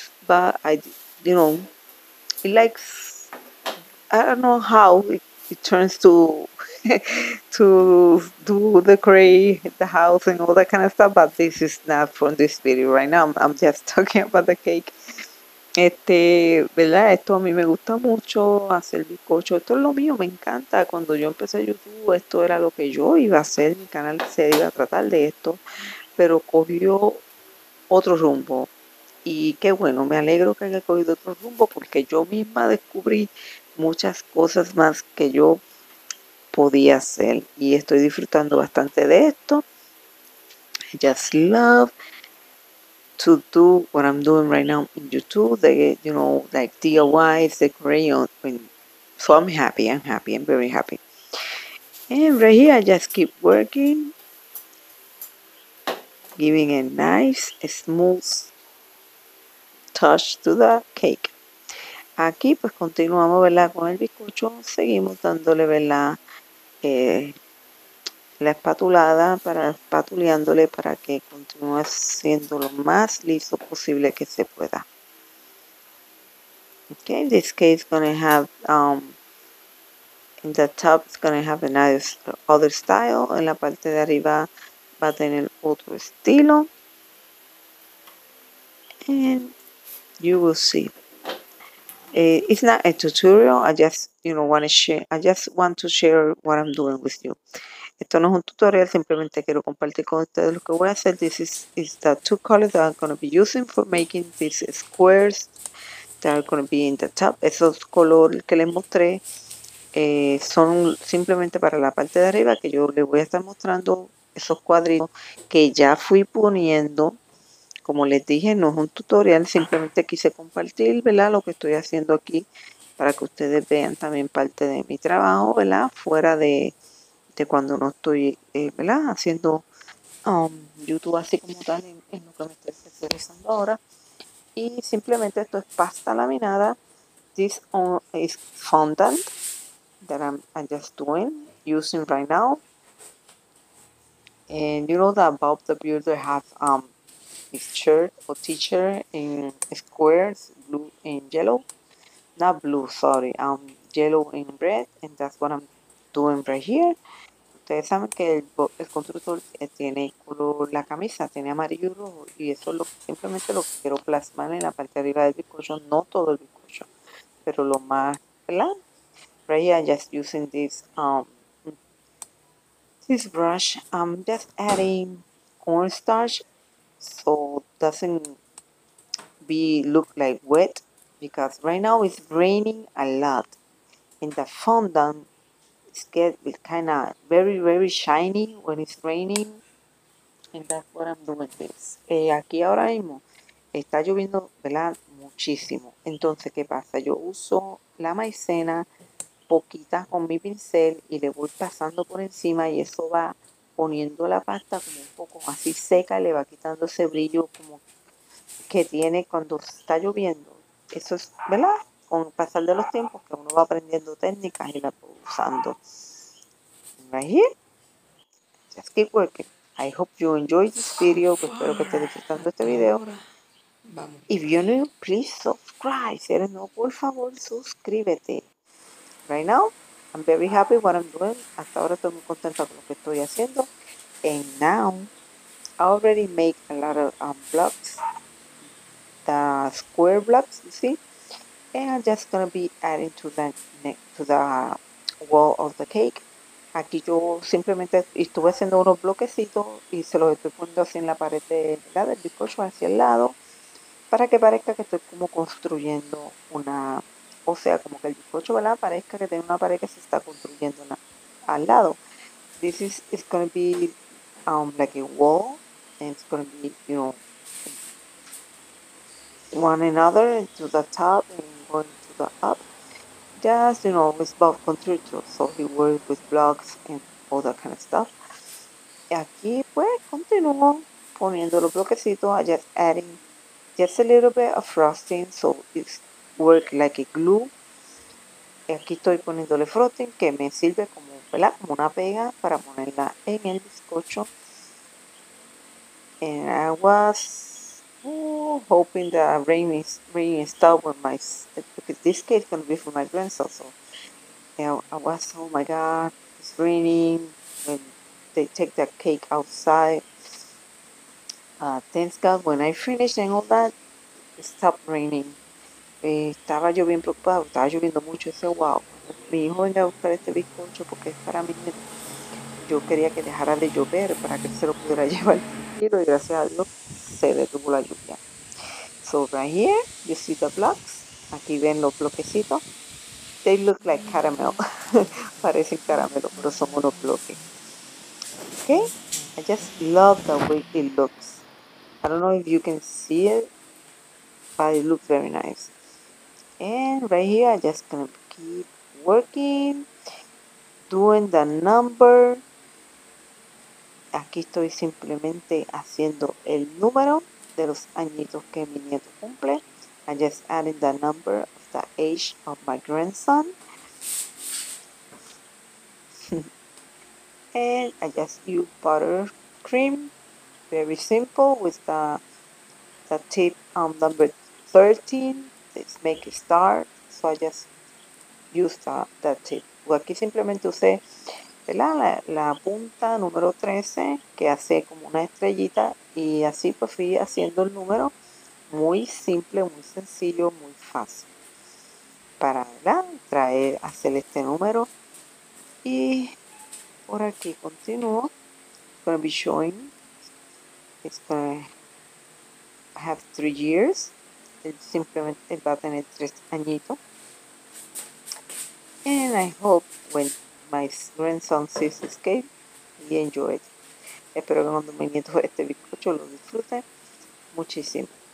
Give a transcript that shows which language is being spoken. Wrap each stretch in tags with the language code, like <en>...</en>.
<en>But I, you know, it likes, I don't know how it turns to to do the decorate the house and all that kind of stuff, but this is not from this video right now. I'm just talking about the cake.</en> <es>Este, ¿verdad? Esto a mí me gusta mucho, hacer bizcocho. Esto es lo mío, me encanta. Cuando yo empecé YouTube, esto era lo que yo iba a hacer. Mi canal se iba a tratar de esto, pero cogió otro rumbo. Y qué bueno, me alegro que haya cogido otro rumbo, porque yo misma descubrí muchas cosas más que yo podía hacer. Y estoy disfrutando bastante de esto.</es> <en>Just love to do what I'm doing right now in YouTube, the, you know, like DIYs, the crayon. So I'm happy, I'm very happy. And right here, I just keep working, giving a nice, a smooth touch to the cake.</en> <es>Aquí, pues continuamos, ¿verdad?, con el bizcocho, seguimos dándole, ¿verdad?, la espatulada, para espatuleándole para que continúe siendo lo más liso posible que se pueda.</es> <en>Okay, this cake is gonna have in the top it's gonna have a nice other style.</en> <es>En la parte de arriba va a tener otro estilo.</es> <en>And you will see. It's not a tutorial. I just, you know, want to share. I just want to share what I'm doing with you.</en> <es>Esto no es un tutorial, simplemente quiero compartir con ustedes lo que voy a hacer.</es> <en>This is the two colors that I'm going to be using for making these squares that are going to be in the top.</en> <es>Esos colores que les mostré son simplemente para la parte de arriba, que yo les voy a estar mostrando esos cuadritos que ya fui poniendo. Como les dije, no es un tutorial, simplemente quise compartir, ¿verdad?, lo que estoy haciendo aquí para que ustedes vean también parte de mi trabajo, ¿verdad?, fuera de cuando no estoy ¿verdad?, haciendo YouTube así como tal, en lo que me estoy especializando ahora. Y simplemente esto es pasta laminada.</es> <en>This is fondant that I'm just doing, using right now. And you know that Bob the Builder has his shirt or t-shirt in squares, blue and yellow. Not blue, sorry. Yellow and red. And that's what I'm doing right here.</en> <es>Ustedes saben que el constructor tiene color, la camisa tiene amarillo y rojo, y eso es lo, simplemente lo que quiero plasmar en la parte de arriba del bizcocho, no todo el bizcocho, pero lo más, ¿verdad?</es> <en>Right here, I'm just using this this brush. I'm just adding cornstarch so doesn't be look like wet, because right now it's raining a lot in the fondant. Get it kind of very shiny when it's raining, and that's what I'm doing this.</en> <es>Aquí ahora mismo está lloviendo, ¿verdad?, muchísimo. Entonces, ¿qué pasa? Yo uso la maicena poquita con mi pincel y le voy pasando por encima, y eso va poniendo la pasta como un poco así seca, le va quitando ese brillo como que tiene cuando está lloviendo. Eso es, ¿verdad?, con el pasar de los tiempos que uno va aprendiendo técnicas y la usando.</es> <en>Right here, just keep working. I hope you enjoyed this video.</en> <es>Que espero que estés disfrutando este video.</es> <en>If you're new, please subscribe.</en> <es>Si eres nuevo, por favor, suscríbete.</es> <en>Right now, I'm very happy what I'm doing.</en> <es>Hasta ahora estoy muy contenta con lo que estoy haciendo.</es> <en>And now, I already make a lot of blocks, the square blocks, you see. And I'm just gonna be adding to the neck, to the wall of the cake.</en> <es>Aquí yo simplemente estuve haciendo unos bloquecitos y se los estoy poniendo así en la pared de, ¿verdad?, del bizcocho, hacia el lado, para que parezca que estoy como construyendo una, o sea, como que el bizcocho, ¿verdad?, parezca que tiene una pared que se está construyendo al lado.</es> <en>This is going to be like a wall, and it's gonna be, you know, one another to the top and going to the up. Just, you know, it's about construction, so he worked with blocks and all that kind of stuff.</en> <es>Y aquí, pues, continuo poniendo los bloquecitos.</es> <en>I just adding just a little bit of frosting, so it's work like a glue.</en> <es>Y aquí estoy poniéndole frosting, que me sirve como, ¿verdad? Como una pega para ponerla en el bizcocho.</es> <en>And I was hoping that rain is stopped with my, because this cake is going to be for my grandson. So, I was, oh my God, it's raining. When they take that cake outside. Thanks God, when I finished and all that, it stopped raining.</en> <es>Estaba yo bien preocupado, estaba lloviendo mucho. Ese wow, mi hijo venga a buscar este bizcocho porque es para mí. Yo quería que dejara de llover para que se lo pudiera llevar. Y gracias a Dios se detuvo la lluvia.</es> <en>So right here, you see the blocks.</en> <es>Aquí ven los bloquecitos.</es> <en>They look like caramel.</en> <es>Parecen caramelo, pero son unos bloques.</es> <en>Okay, I just love the way it looks. I don't know if you can see it, but it looks very nice. And right here, I'm just gonna keep working, doing the number.</en> <es>Aquí estoy simplemente haciendo el número de los añitos que mi nieto cumple.</es> <en>I'm just adding the number of the age of my grandson. And I just use buttercream, very simple, with the tip on number 13. Let's make a star, so I just use that tip.</en> <es>Well, aquí simplemente usé la punta número 13, que hace como una estrellita, y así pues fui haciendo el número. Muy simple, muy sencillo, muy fácil para hacer este número. Y por aquí continúo.</es> <en>It's gonna be showing, it's gonna have 3 years.</en> <es>Simplemente él va a tener 3 añitos.</es> <en>And I hope when my grandson sees this cake, he enjoy it.</en> <es>Espero que cuando mi nieto este bizcocho lo disfrute muchísimo.</es>